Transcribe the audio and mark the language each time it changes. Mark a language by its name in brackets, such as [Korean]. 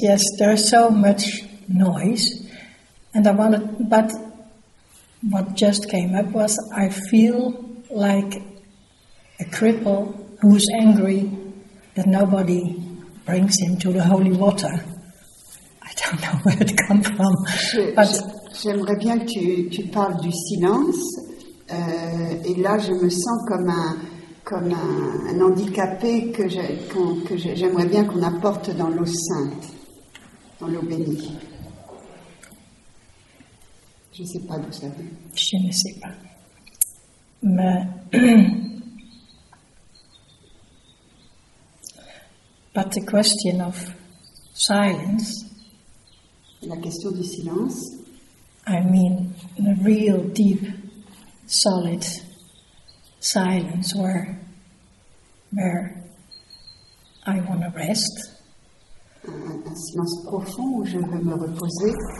[English] Yes, there is so much noise, and I wanted. But what just came up was I feel like a cripple who is angry that nobody. Brings him to the holy water. I don't know where it comes from. [French] Je, [English] but [French] J'aimerais bien que tu parles du silence. Et là, je me sens comme un handicapé j'aimerais bien qu'on apporte dans l'eau sainte, dans l'eau bénie. Je ne sais pas d'où ça vient. Je ne sais pas. [English] Mais but the question of silence. [French] La question du silence. [English] I mean, a real deep, solid silence where I want to rest. [French] Un silence profond où je veux me reposer.